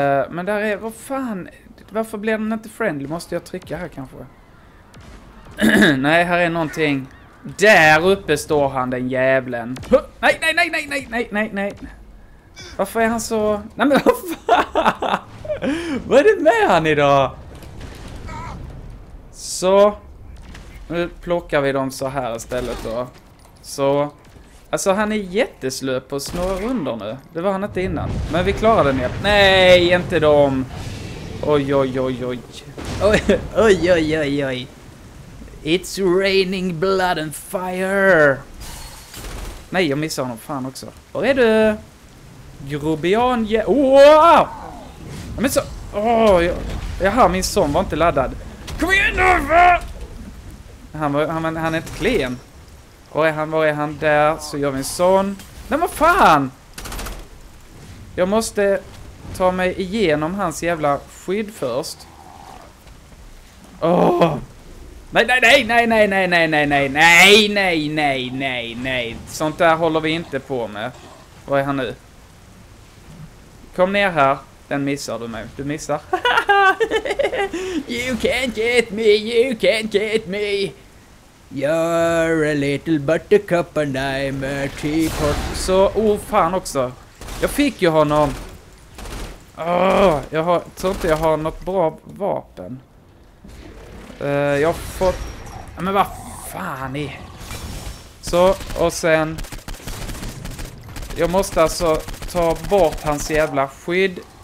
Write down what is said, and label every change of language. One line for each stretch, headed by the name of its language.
Swedish: Men där är... Vad fan? Varför blir den inte friendly? Måste jag trycka här kanske? Nej, här är någonting. Där uppe står han, den jävlen. Nej, nej, nej, nej, nej, nej, nej, nej. Varför är han så... Nej, men vad fan? Vad är det med han idag? Så, nu plockar vi dem så här istället då. Så, alltså han är jätteslö på att snurra under nu. Det var han inte innan. Men vi klarade den igen. Nej, inte dem. Oj, oj, oj, oj. Oj, oj, oj, oj.
English: It's raining blood and fire.
Swedish: Nej, jag missar honom fan också. Var är du? Grobian, ja. Wow! Jag missar... Jaha, min son var inte laddad. Kom igen nu! Han är inte klen. Var är han där? Så gör vi en sån. Nej, vad fan! Jag måste ta mig igenom hans jävla skydd först. Åh! Oh. Nej, nej, nej, nej, nej, nej, nej, nej, nej, nej, nej, nej, nej, nej. Sånt där håller vi inte på med. Var är han nu? Kom ner här. Den missar du mig. Du missar.
English: You can't get me, you can't get me. You're a little buttercup and I'm a teapot.
Swedish: Så, oh fan också. Jag fick ju honom. Jag har, tror inte jag har något bra vapen. Jag har fått... Men vad fan är... Så, och sen... Jag måste alltså ta bort hans jävla skydd.